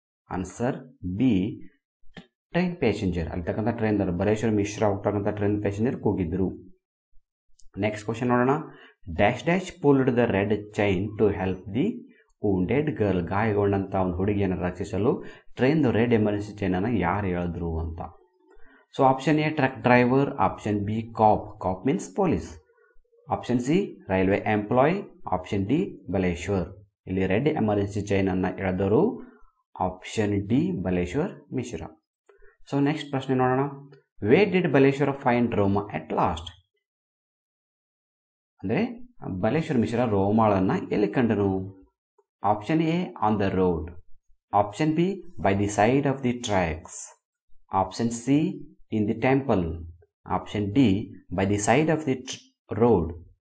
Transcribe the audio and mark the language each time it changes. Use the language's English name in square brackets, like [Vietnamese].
[Kannada] Answer B train passenger, ಅಲ್ಲಿರ್ತಕ್ಕಂಥ train Baleshwara Mishra ಹೋಗ್ತಕ್ಕಂಥ train passenger ಕೂಗಿದ್ರು. Next question ನೋಡೋಣ. [English] dash dash pulled the red chain to help the wounded girl, [Kannada] ಗಾಯಗೊಂಡಂಥ ಒಂದು ಹುಡುಗಿಯನ್ನು ರಕ್ಷಿಸಲು ಟ್ರೈನ್ದು red emergency ಚೈನನ್ನು ಯಾರು ಹೇಳಿದ್ರು ಅಂತ. [English] So option A, truck driver. Option B, cop. Cop means police. Option C, railway employee. Option D, Baleshwar. [Kannada] ಇಲ್ಲಿ red emergency chain ಅನ್ನ ಹೇಳಿದರು option D Baleshwar ಮಿಶ್ರ. So next ಪ್ರಶ್ನೆ ನೋಡೋಣ. [English] Why did Baleshwar find Roma at last? [Kannada] ಅಂದ್ರೆ ಬಲೇಶ್ವರ ಮಿಶ್ರ ರೋಮಾಳನ್ನ ಎಲ್ಲಿ ಕಂಡನು? [English] Option A on the road, option B by the side of the tracks, option C in the temple, option D by the side of the road.